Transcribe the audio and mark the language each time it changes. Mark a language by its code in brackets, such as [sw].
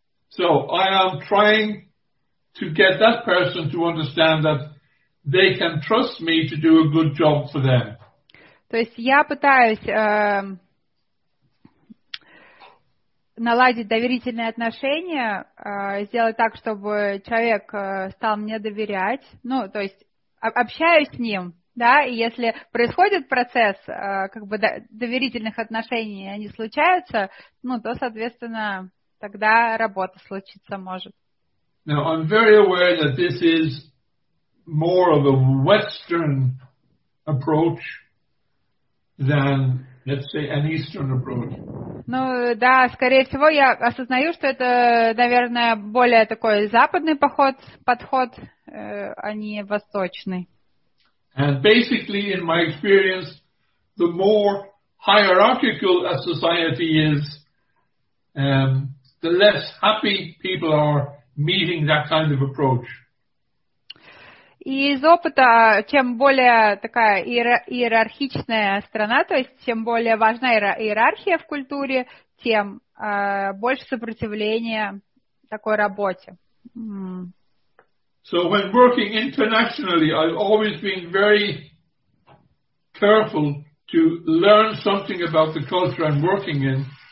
[en] So I am trying to get that person to understand that they can trust me to do a good job for them. [ru] То есть я пытаюсь наладить доверительные отношения, сделать так, чтобы человек стал мне доверять. Ну, то есть общаюсь с ним, да, и если происходит процесс как бы доверительных отношений, и они случаются, ну, то, соответственно, тогда работа случиться может. [en] Now, I'm very aware that this is more of a Western approach than, let's say, an Eastern approach. [ru] Ну, да, скорее всего, я осознаю, что это, наверное, более такой западный подход, а не восточный. [en] And basically, in my experience, the more hierarchical a society is, the less happy people are meeting that kind of approach. [ru] И из опыта, чем более такая иерархичная страна, то есть чем более важна иерархия в культуре, тем больше сопротивления такой работе. [en] So when working internationally, I've always been very careful to learn something about the culture I'm working in.